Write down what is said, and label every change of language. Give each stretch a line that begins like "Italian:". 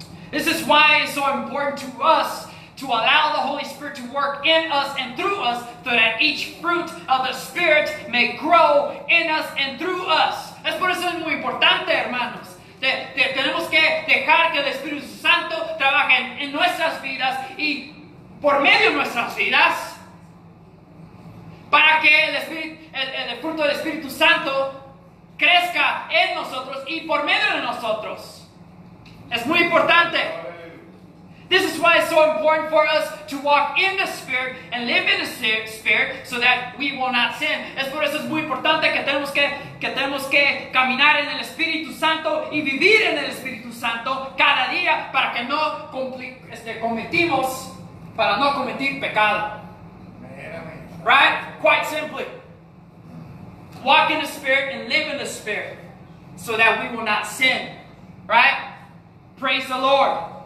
English: This is why it's so important to us to allow the Holy Spirit to work in us and through us, so that each fruit of the Spirit may grow in us and through us.
Spanish: Es por eso es muy importante, hermanos. Tenemos que dejar que el Espíritu Santo trabaje en nuestras vidas y por medio de nuestras vidas, para que el fruto del Espíritu Santo crezca en nosotros y por medio de nosotros. Es muy importante.
English: This is why it's so important for us to walk in the Spirit and live in the Spirit so that we will not sin.
Spanish: Es por eso es muy importante que tenemos que caminar en el Espíritu Santo y vivir en el Espíritu Santo cada día para que no cometimos, para no cometer pecado.
English: Right? Quite simply. Walk in the Spirit and live in the Spirit so that we will not sin. Right? Praise the Lord.